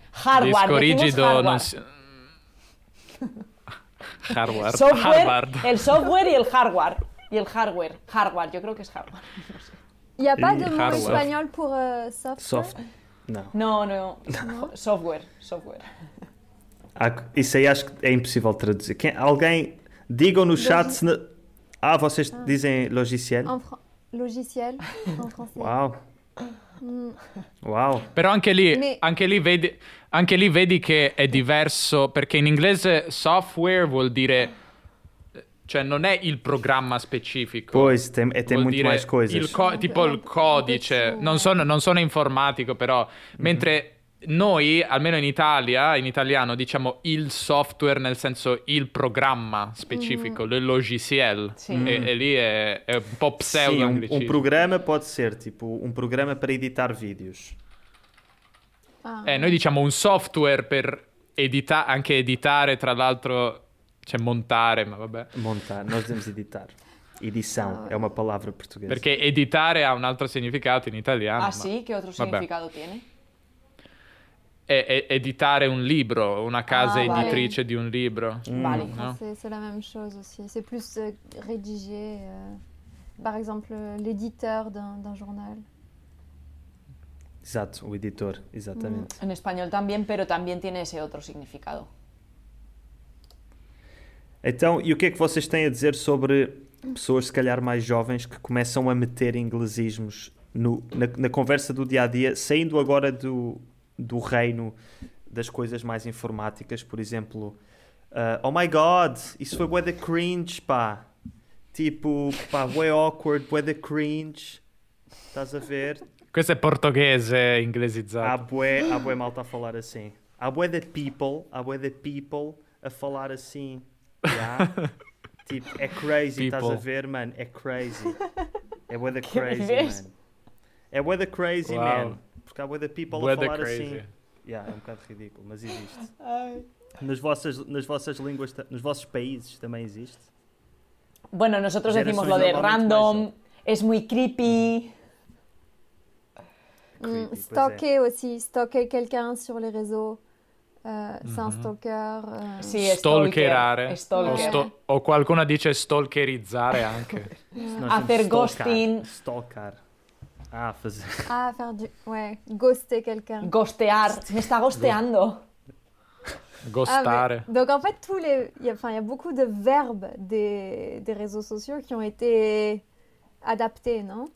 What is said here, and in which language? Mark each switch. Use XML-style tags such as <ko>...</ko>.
<en>Hardware.</en> <es>Disco rígido. Hardware. Software. Harvard. El software y el hardware. Y el hardware. Hardware, yo creo que es hardware. No sé. ¿Y aparte de un español por software? No.</es> <en>Software.</en> <pt>Isso aí acho que é impossível traduzir. Alguém, digam no chat se... Ah, vocês dizem logiciel?</pt> <fr>Logiciel en</fr> <it>francese. Wow. Però anche lì vedi che è diverso, perché in inglese software vuol dire, cioè non è il programma specifico. Poi tem molto più cose. Tipo il codice, non sono informatico, però mentre noi, almeno in Italia, in italiano diciamo il software nel senso il programma specifico, le logiciel, e lì è un po' pseudo. Un programma può essere tipo un programma per editare videos. Noi diciamo un software per editare, anche editare, tra l'altro, cioè montare, ma vabbè. Montare, noi dobbiamo editare. Edição, è una parola portoghese. Perché editare ha un altro significato in italiano. Ah ma... sì? Che altro significato tiene? È editare un libro, una casa editrice di un libro.</it> <fr>Vale, c'è la même chose aussi. C'è più rédiger, par exemple, l'éditeur d'un journal.</fr> <it>Esatto, un editor, esattamente. In spagnolo</it> <es>también, però también tiene ese otro significado.</es> <pt>Então, e o que é que vocês têm a dizer sobre pessoas, se calhar mais jovens, que começam a meter inglesismos na conversa do dia-a-dia, saindo agora do reino das coisas mais informáticas, por exemplo,</pt> <en>oh my god,</en> <pt>isso foi bué da cringe, pá. Tipo, pá, bué awkward, bué da cringe. Estás a ver?</pt> <it>Questo è portoghese inglesizzato.</it> <pt>Há bué malta a falar assim. Há bué da people a falar assim. Yeah. Tipo, é crazy, estás a ver, man? É crazy. É bué da crazy, man. É bué da crazy, wow. Man. Porque há bué da people bué a falar assim. Yeah, é um bocado ridículo, mas existe. Nas vossas línguas, nos vossos países também existe?</pt> <es>Bueno, nosotros decimos lo de random, es muy creepy.</es> <fr>Stalker aussi, stalker quelqu'un sur les réseaux, c'est un stalker.</fr> <it>Sì, stalkerare. O qualcuno dice stalkerizzare anche. A fare ghosting. Stalker. Ah, fare.</it> <fr>Ah, faire du. Ouais, ghoster quelqu'un.</fr> <es>Ghostear. Mi sta ghosteando.</es> <it>Ghostare.</it> <fr>Donc en fait, il y a beaucoup de verbes des réseaux sociaux qui ont été adaptés, non?</fr>